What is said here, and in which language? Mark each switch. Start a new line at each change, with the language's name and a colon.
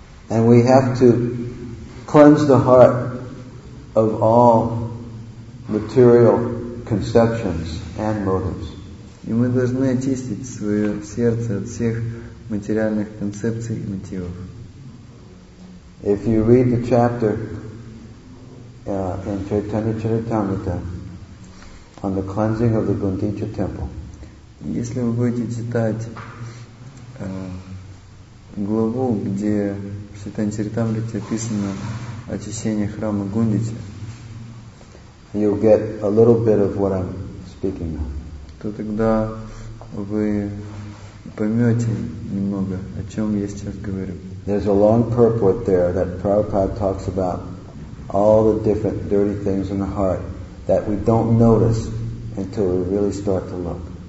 English: And we have to cleanse the heart of all material conceptions and motives.
Russian: И мы должны очистить свое сердце от всех материальных концепций и мотивов.
English: If you read the chapter in Chaitanya Charitamrita on the cleansing of the Gundicha temple,
Russian: если вы будете читать главу, где в Чайтанья Чаритамрите описано очищение храма Гундича,
English: you'll get a little bit of what I'm speaking of.
Russian: То тогда вы поймете немного, о чем я сейчас говорю.
English: There's a long purport there that Prabhupada talks about all the different dirty things in the heart that we don't notice until we really start to look.